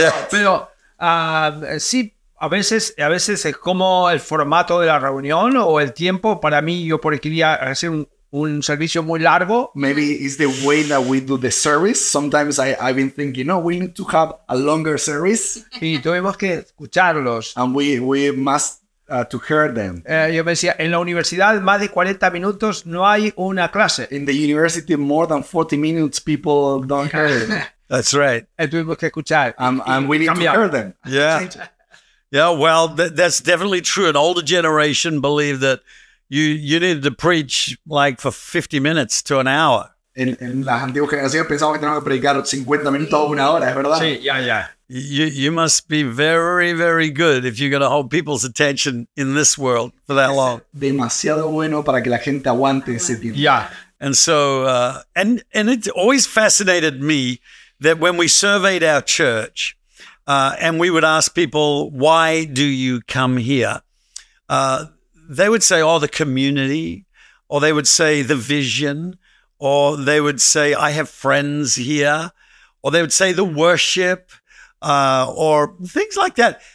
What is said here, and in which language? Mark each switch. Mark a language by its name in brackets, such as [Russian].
[Spanish] Pero sí, a veces es como el formato de la reunión o el tiempo. Para mí, yo porque quería hacer un servicio muy largo. [English] Maybe it's the way that we do the service. Sometimes I've been thinking, no, we need to have a longer service. [Spanish] Y tuvimos que escucharlos. [English] And we must to hear them. [Spanish] Yo me decía, en la universidad más de 40 minutos no hay una clase. [English] In the university, more than 40 minutes, people don't hear them. That's right. [Spanish] Tuvimos que escuchar. [English] And we need to hear them. Yeah, well, that's definitely true. An older generation believe that you needed to preach like for 50 minutes to an hour. [Spanish] En las antiguas generaciones pensamos que teníamos que predicar 50 minutos a una hora, ¿es verdad? Sí, ya. [English] You must be very, very good if you're going to hold people's attention in this world for that long. [Spanish] Demasiado bueno para que la gente aguante ese tiempo. [English] Yeah. And so, and it always fascinated me that when we surveyed our church and we would ask people, why do you come here? They would say, oh, the community, or they would say the vision, or they would say, I have friends here, or they would say the worship, or things like that.